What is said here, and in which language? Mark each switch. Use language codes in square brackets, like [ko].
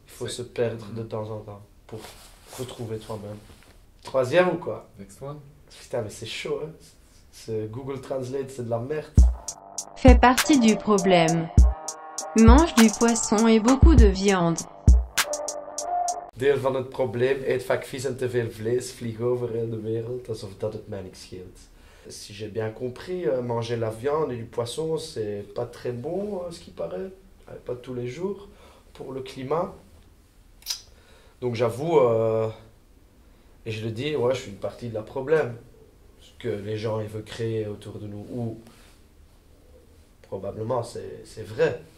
[fr] Il faut se perdre de temps en temps pour retrouver toi-même. Troisième ou quoi? [en] Next one. [fr] Putain, mais c'est chaud, hein? Ce Google Translate, c'est de la merde. Fais partie du problème. Mange du poisson et beaucoup de viande. [nl] Deel van het probleem. Eet vaak vis en te veel vlees. Vlieg over in de wereld. Alsof dat het mij niks scheelt. [fr] Si j'ai bien compris, manger la viande et du poisson, c'est pas très bon, ce qui paraît. Pas tous les jours. Pour le climat, donc j'avoue et je le dis, ouais, je suis une partie de la problème ce que les gens ils veulent créer autour de nous, ou probablement c'est vrai.